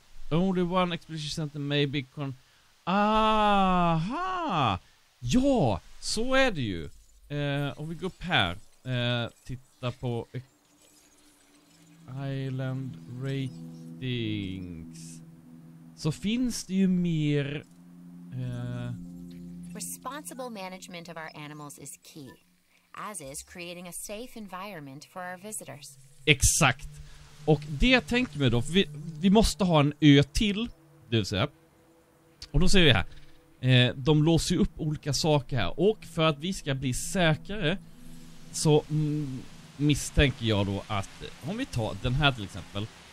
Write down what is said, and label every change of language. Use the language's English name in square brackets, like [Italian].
[English] Only one expedition center may be con... Aha! [Swedish] Ja, så är det ju. Om vi går upp här, titta på Island Ratings, så finns det ju mer. [English] Responsible management of our animals is key, as is creating a safe environment for our visitors. [Swedish] Exakt. Och det tänker vi då, för vi måste ha en ö till, det vill säga. Och då ser vi här. De låser ju upp olika saker här. Och för att vi ska bli säkrare så misstänker jag då att om vi tar den här till exempel,